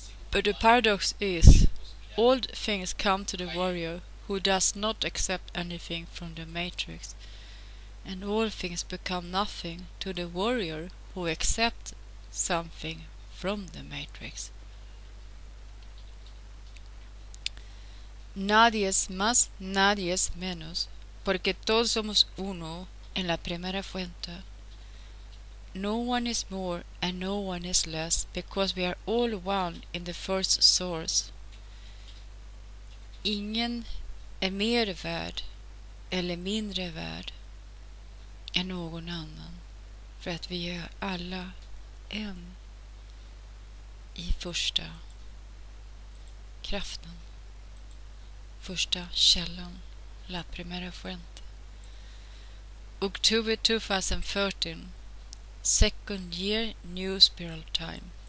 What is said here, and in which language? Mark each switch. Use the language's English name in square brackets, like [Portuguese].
[English] But the paradox is, all things come to the warrior who does not accept anything from the matrix, and all things become nothing to the warrior who accepts something from the matrix. [Spanish] Nadie es más, nadie es menos, porque todos somos uno en la primera fuente. [English] No one is more and no one is less, because we are all one in the first source. [Swedish] Ingen är mer värd eller mindre värd än någon annan, för att vi är alla en i första kraften, första källan, [Spanish] la primera fuente. [English] October 2013, second year new spiral time.